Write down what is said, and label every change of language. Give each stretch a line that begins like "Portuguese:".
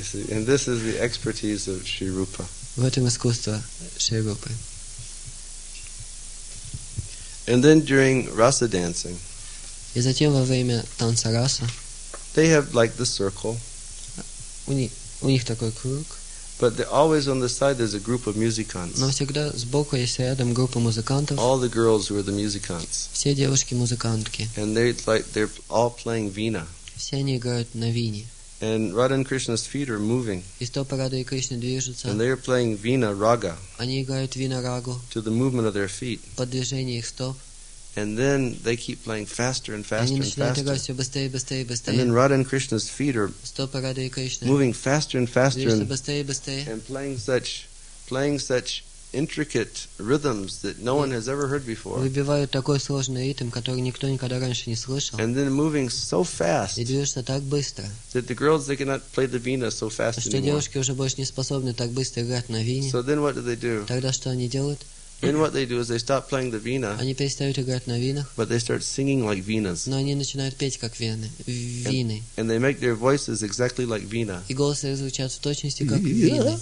English: and this is the expertise of Shri Rupa.
Russian: В этом искусство Шри Рупы.
English: And then during rasa dancing,
Russian: и затем во время танца раса,
English: they have like the circle,
Russian: у них такой круг,
English: but always on the side there's a group of musicians.
Russian: Но всегда сбоку есть рядом группа музыкантов.
English: All the girls who are the musicians.
Russian: Все девушки музыкантки.
English: And they're all playing vina.
Russian: Все они играют на вине.
English: And Radha and Krishna's feet are moving.
Russian: И стопы Радха и Кришны движутся.
English: And they are playing vina raga.
Russian: Они играют вина рагу.
English: To the movement of their feet.
Russian: Под движение их стоп.
English: And then they keep playing faster and faster and faster.
Russian: Они начинают играть все быстрее, быстрее, быстрее.
English: And then Radha and Krishna's feet are
Russian: стопы Радха и Кришны
English: moving faster and faster.
Russian: Движутся быстрее, быстрее.
English: And playing such intricate rhythms that no one has ever heard before.
Russian: Выбивают такой сложный ритм, который никто никогда раньше не слышал.
English: And then moving so fast.
Russian: И движутся так быстро.
English: That the girls, they cannot play the vina so fast anymore.
Russian: Что девушки уже больше не способны так быстро играть на вине.
English: So then what do they do?
Russian: Тогда что они делают?
English: Then what they do is they stop playing the vina.
Russian: Они перестают играть на винах.
English: But they start singing like vinas.
Russian: Но они начинают петь как вины. Вины.
English: And they make their voices exactly like vina.
Russian: И голосы их звучат в точности как вины.